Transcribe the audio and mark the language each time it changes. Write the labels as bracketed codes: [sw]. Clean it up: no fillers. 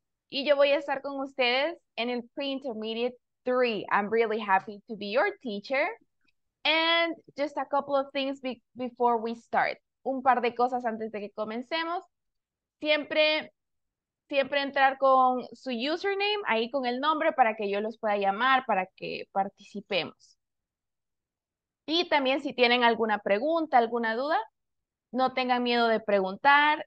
[es] Y yo voy a estar con ustedes en el pre-intermediate 3. [en] I'm really happy to be your teacher. And just a couple of things be before we start. [es] Un par de cosas antes de que comencemos. Siempre, siempre entrar con su username, ahí con el nombre para que yo los pueda llamar, para que participemos. Y también si tienen alguna pregunta, alguna duda, no tengan miedo de preguntar.